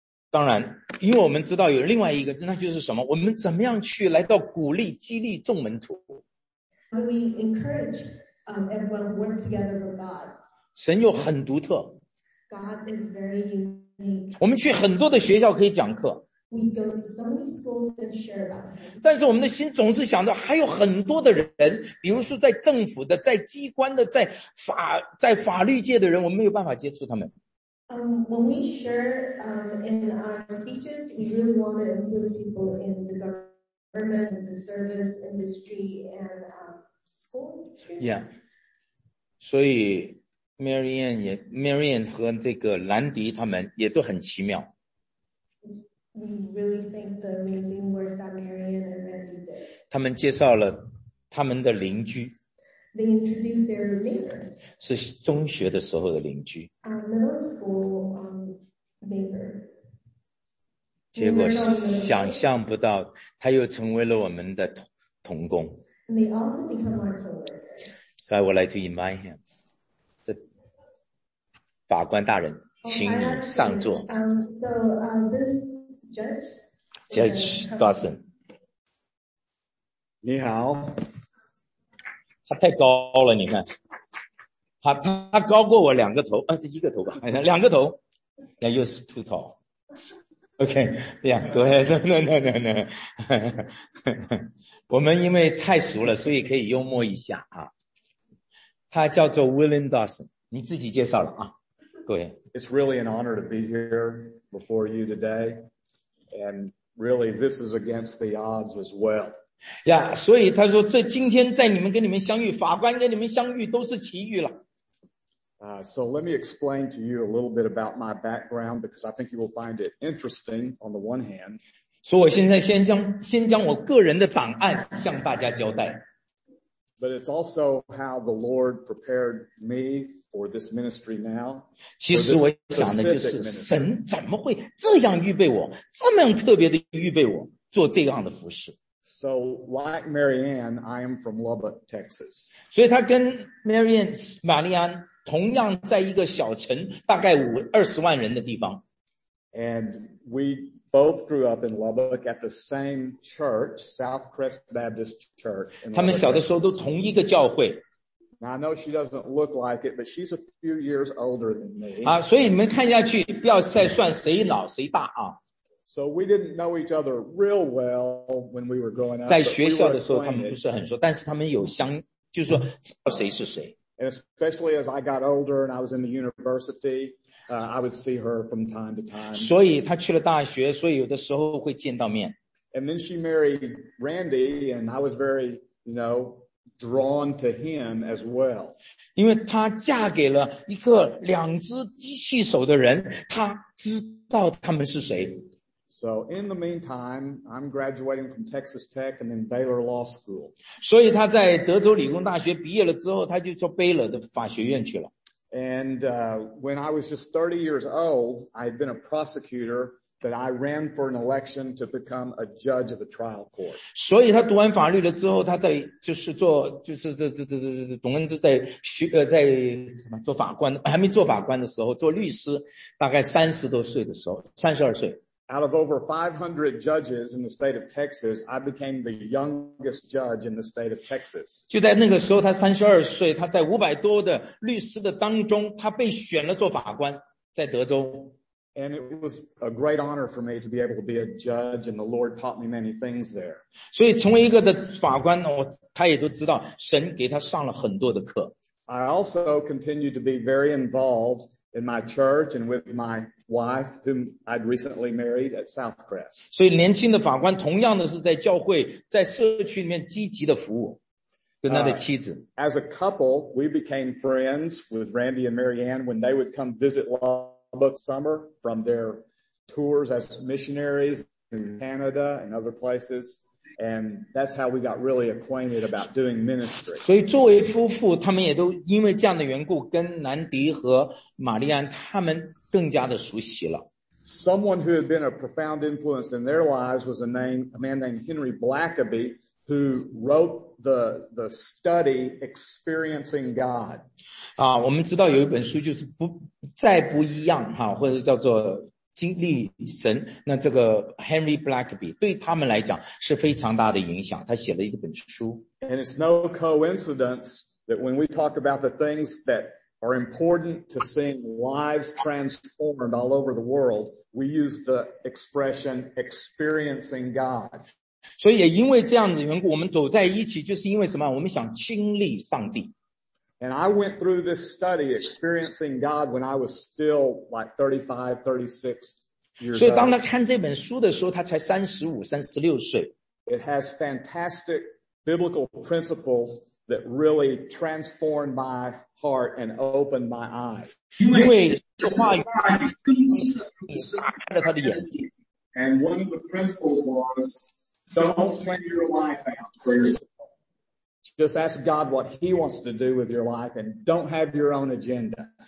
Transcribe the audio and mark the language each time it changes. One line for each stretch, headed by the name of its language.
Chinese: 当然，因为我们知道有另外一个，那就是什么？我们怎么样去来到鼓励、激励众门徒
English: ？We encourage everyone to work together with God.
Chinese: 神又很独特。
English: God is very unique.
Chinese: 我们去很多的学校可以讲课。
English: We go to so many schools and share about it.
Chinese: 但是我们的心总是想着还有很多的人，比如说在政府的、在机关的、在法律界的人，我们没有办法接触他们。
English: When we share in our speeches, we really want to include people in the government, the service industry, and school industry.
Chinese: Yeah. 所以 Marianne 和这个兰迪他们也都很奇妙。
English: We really thank the amazing work that Marianne and Randy did.
Chinese: 他们介绍了他们的邻居。
English: They introduced their neighbor.
Chinese: 是中学的时候的邻居。
English: Middle school neighbor.
Chinese: 结果想象不到，他又成为了我们的同工。
English: And they also become our co-workers. So I would like to invite him.
Chinese: 法官大人，请你上座。
English: This. Judge Dawson.
Chinese: 你好。他太高了，你看。他高过我两个头，这一个头吧，两个头。那又是
English: too tall. Okay, yeah, go ahead. No.
Chinese: 我们因为太熟了，所以可以幽默一下啊。他叫做 William Dawson， 你自己介绍了啊，各位。
English: It's really an honor to be here before you today, and really this is against the odds as well.
Chinese: Yeah, 所以他说这今天在你们跟你们相遇，法官跟你们相遇都是奇遇了。
English: So let me explain to you a little bit about my background because I think you will find it interesting on the one hand.
Chinese: 所以我现在先将我个人的档案向大家交代。
English: But it's also how the Lord prepared me for this ministry now.
Chinese: 其实我想的就是神怎么会这样预备我，这么样特别的预备我做这样的服事。
English: So like Mary Ann, I am from Lubbock, Texas.
Chinese: 所以他跟 Mary Ann, 玛丽安同样在一个小城，大概20万人的地方。
English: And we both grew up in Lubbock at the same church, Southcrest Baptist Church.
Chinese: 他们小的时候都同一个教会。
English: Now I know she doesn't look like it, but she's a few years older than me.
Chinese: 啊，所以你们看下去，不要再算谁老谁大啊。
English: So we didn't know each other real well when we were growing up.
Chinese: 在学校的时候，他们不是很熟，但是他们有相，就是说知道谁是谁。
English: And especially as I got older and I was in the university, I would see her from time to time.
Chinese: 所以她去了大学，所以有的时候会见到面。
English: And then she married Randy, and I was very, you know, drawn to him as well.
Chinese: 因为她嫁给了一个两只机器手的人，她知道他们是谁。
English: So in the meantime, I'm graduating from Texas Tech and then Baylor Law School.
Chinese: 所以他在德州理工大学毕业了之后，他就做 Baylor 的法学院去了。
English: And when I was just 30 years old, I had been a prosecutor, but I ran for an election to become a judge of a trial court.
Chinese: 所以他读完法律了之后，他在就是做就是董恩之在学在什么做法官，还没做法官的时候做律师，大概30多岁的时候，32岁。
English: Out of over 500 judges in the state of Texas, I became the youngest judge in the state of Texas.
Chinese: 就在那个时候，他32岁，他在500多的律师的当中，他被选了做法官，在德州。
English: And it was a great honor for me to be able to be a judge, and the Lord taught me many things there.
Chinese: 所以成为一个的法官，他也都知道，神给他上了很多的课。
English: I also continued to be very involved in my church and with my wife, whom I'd recently married at Southcrest.
Chinese: 所以年轻的法官同样的是在教会在社区里面积极的服务跟他的妻子。
English: As a couple, we became friends with Randy and Mary Ann when they would come visit Lubbock summer from their tours as missionaries in Canada and other places. And that's how we got really acquainted about doing ministry.
Chinese: 所以作为夫妇他们也都因为这样的缘故跟南迪和玛丽安他们更加的熟悉了。
English: Someone who had been a profound influence in their lives was a man named Henry Blackaby, who wrote the study Experiencing God.
Chinese: 啊，我们知道有一本书就是不再不一样哈，或者叫做经历神。那这个 Henry Blackaby 对他们来讲是非常大的影响。他写了一本书。
English: And it's no coincidence that when we talk about the things that are important to seeing lives transformed all over the world, we use the expression experiencing God.
Chinese: 所以也因为这样子缘故，我们走在一起，就是因为什么？我们想经历上帝。
English: And I went through this study, experiencing God, when I was still like 35, 36 years old.
Chinese: 所以当他看这本书的时候，他才35、36岁。
English: It has fantastic biblical principles that really transformed my heart and opened my eyes.
Chinese: 因为这话语更新了，打开了他的眼睛。
English: And one of the principles was, don't plan your life out for yourself. Just ask God what He wants to do with your life and don't have your own agenda.